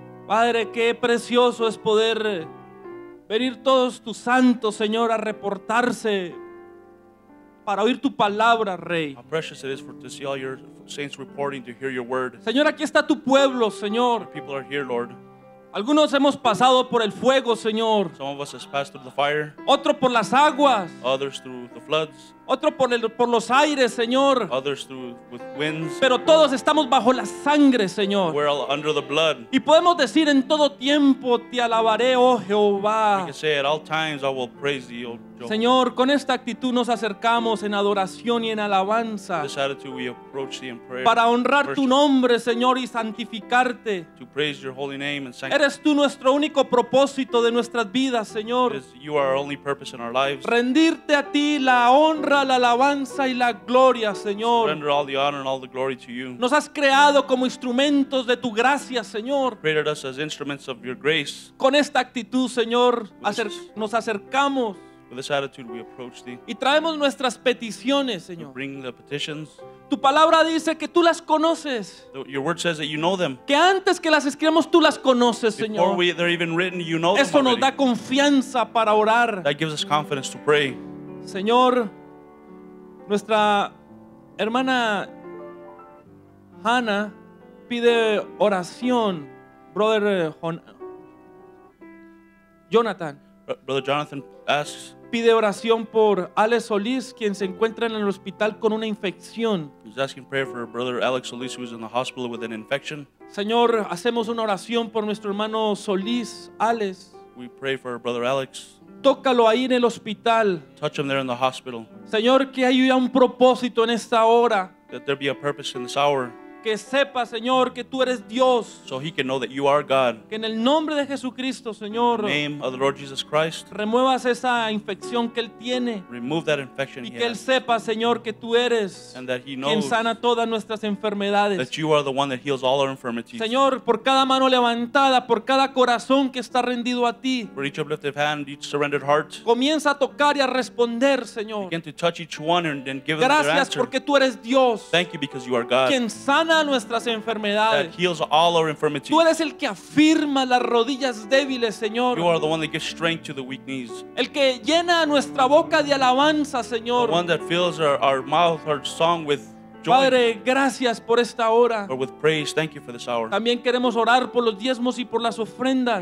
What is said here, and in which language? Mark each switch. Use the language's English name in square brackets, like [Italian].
[Spanish] Padre, qué precioso es poder venir todos tus santos, Señor, a reportarse para oír tu palabra, Rey. [English] How precious it is for to see all your saints reporting to hear your word. [Spanish] Señor, aquí está tu pueblo, Señor. [English] Your people are here, Lord. [Spanish] Algunos hemos pasado por el fuego, Señor. [English] Some of us have passed through the fire. [Spanish] Otro por las aguas. [English] Others through the floods. [Spanish] Otro por los aires, Señor. [English] Others through with winds. [Spanish] Pero todos estamos bajo la sangre, Señor. [English] We're all under the blood. [Spanish] Y podemos decir en todo tiempo te alabaré, oh Jehová. [English] We can say at all times I will praise thee, oh Jehovah. [Spanish] Señor, con esta actitud nos acercamos en adoración y en alabanza. [English] With this attitude we approach thee in prayer. [Spanish] Para honrar tu nombre, Señor, y santificarte. [English] To praise your holy name and sanctify. [Spanish] Eres tú nuestro único propósito de nuestras vidas, Señor. [English] You are our only purpose in our lives. [Spanish] Rendirte a ti la honra, la alabanza y la gloria, Señor. [English] Render all the honor and all the glory to you. [Spanish] Nos has creado como instrumentos de tu gracia, Señor. [English] Created us as instruments of your grace. [Spanish] Con esta actitud, Señor, nos acercamos. [English] With this attitude, we approach thee. [Spanish] Y traemos nuestras peticiones, Señor. [English] We bring the petitions. [Spanish] Tu palabra dice que tú las conoces. [English] Your word says that you know them. [Spanish] Que antes que las escribamos, tú las conoces, Señor. [English] Before they're even written, you know them. [Spanish] Eso nos da confianza para orar. [English] That gives us confidence to pray. [Spanish] Señor, nuestra hermana Hannah pide oración. [English] Brother Jonathan. Brother Jonathan asks. [Spanish] Pide oración por Alex Solis, quien se encuentra en el hospital con una infección. [English] He's asking prayer for Brother Alex Solis, who is in the hospital with an infection. [Spanish] Señor, hacemos una oración por nuestro hermano Solis, Alex. [English] We pray for Brother Alex. [Spanish] Tócalo ahí en el hospital. [English] Touch him there in the hospital. [Spanish] Señor, que haya un propósito en esta hora. [English] That there be a purpose in this hour. [Spanish] Que sepa, Señor, que tú eres Dios. [English] So he can know that you are God. [Spanish] Que en el nombre de Jesucristo, Señor. [English] In the name of the Lord Jesus Christ. [Spanish] Remuevas esa infección que él tiene. [English] Remove that infection he has. [Spanish] Y que él sepa, Señor, que tú eres. [English] And that he knows. [Spanish] Quien sana todas nuestras enfermedades. [English] That you are the one that heals all our infirmities. [Spanish] Señor, por cada mano levantada, por cada corazón que está rendido a ti. [English] For each uplifted hand, each surrendered heart. [Spanish] Comienza a tocar y a responder, Señor. [English] Begin to touch each one and give them their answer. [Spanish] Gracias porque tú eres Dios. [English] Thank you because you are God. [Spanish] Quien sana nuestras enfermedades. [English] That heals all our infirmities. [Spanish] Tú eres el que afirma las rodillas débiles, Señor. [English] You are the one that gives strength to the weak knees. [Spanish] El que llena nuestra boca de alabanza, Señor. [English] The one that fills our mouth, our song with joy. [Spanish] Padre, gracias por esta hora. [English] Or with praise, thank you for this hour. [Spanish] También queremos orar por los diezmos y por las ofrendas.